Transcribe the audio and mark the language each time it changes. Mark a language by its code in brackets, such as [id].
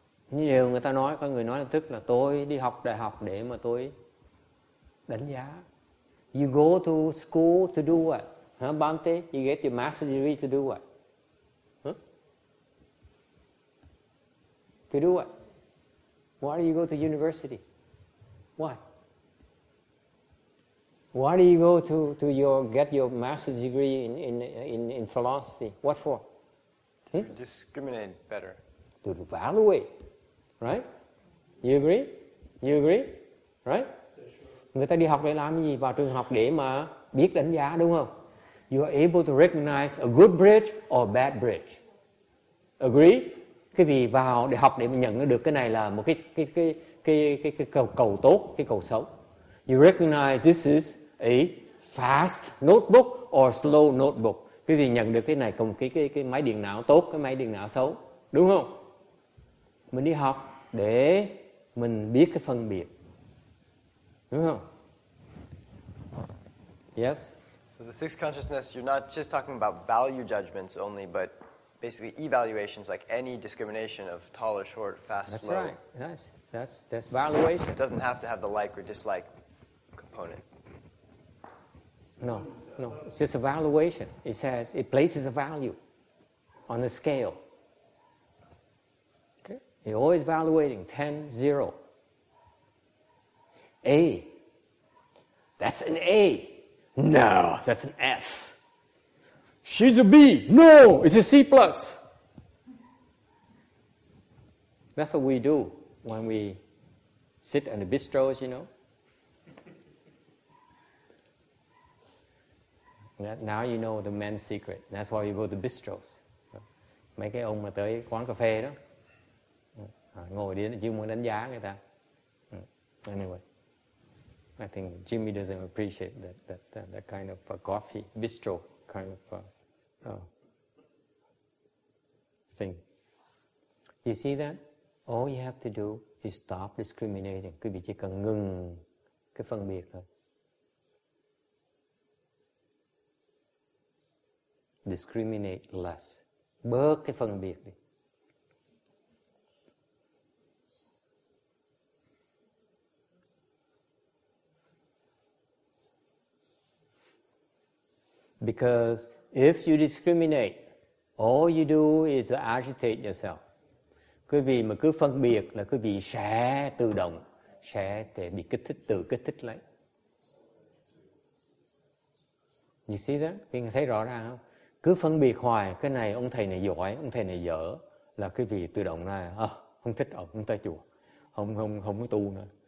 [vi] Như điều người ta nói, có người nói là tức là tôi đi học đại học để mà tôi đánh giá. [en] You go to school to do what? Huh, Bante? You get your master's degree to do what? Huh? To do what? Why do you go to university? Why? Why do you go to your get your master's degree in philosophy? What for? To discriminate better. To evaluate, right? You agree? You agree? Right? Sure. [vi] Người ta đi học để làm gì? Vào trường học để mà biết đánh giá, đúng không? [en] You are able to recognize a good bridge or a bad bridge. Agree? [vi] Cái vì vào để học để mà nhận được cái này là một cái cầu tốt, cái cầu xấu. [en] You recognize this is a fast notebook or slow notebook. [vi] Quý vị nhận được cái này cùng cái máy điện não tốt, cái máy điện não xấu. Đúng không? Mình đi học để mình biết cái phân biệt. Đúng không? [en] Yes? So the sixth consciousness, you're not just talking about value judgments only, but basically evaluations like any discrimination of tall or short, fast, that's slow. That's right. That's valuation. It doesn't have to have the like or dislike component. No, no, it's just a valuation. It says it places a value on the scale. Okay. You're always valuating 10, 0. A. That's an A. No, that's an F. She's a B. No, it's a C plus. That's what we do when we sit in the bistros, you know. Now you know the man's secret. That's why you go to bistros. [vi] Mấy cái ông mà tới quán cà phê đó, ngồi đi chỉ muốn đánh giá người ta. Anyway. [en] I think Jimmy doesn't appreciate that kind of coffee bistro kind of thing. You see that? All you have to do is stop discriminating. [vi] Quý vị chỉ cần ngừng cái phân biệt thôi. [en] Discriminate less. [vi] Bớt cái phân biệt đi. [en] Because if you discriminate, all you do is agitate yourself. [vi] Quý vị mà cứ phân biệt là quý vị sẽ tự động, sẽ bị kích thích, tự kích thích lại. [en] You see that? [vi] Quý vị thấy rõ ra không? Cứ phân biệt hoài, cái này ông thầy này giỏi, ông thầy này dở, là quý vị tự động là không thích ông, không tới chùa, không có tu nữa.